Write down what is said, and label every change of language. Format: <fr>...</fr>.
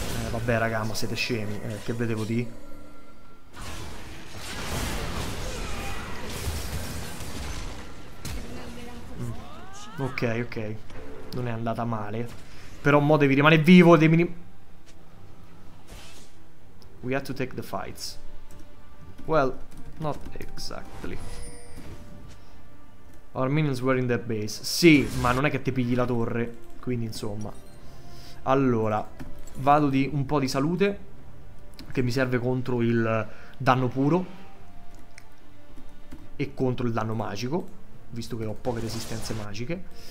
<it>Vabbè raga, ma siete scemi, che vedevo di... Ok, non è andata male. Però mo devi rimanere vivo, devi...</it> <en>We have to take the fights. Well, not exactly. Our minions were in their base.</en> <it>Sì, ma non è che ti pigli la torre. Quindi, insomma. Allora, vado di un po' di salute, che mi serve contro il danno puro e contro il danno magico, visto che ho poche resistenze magiche.</it>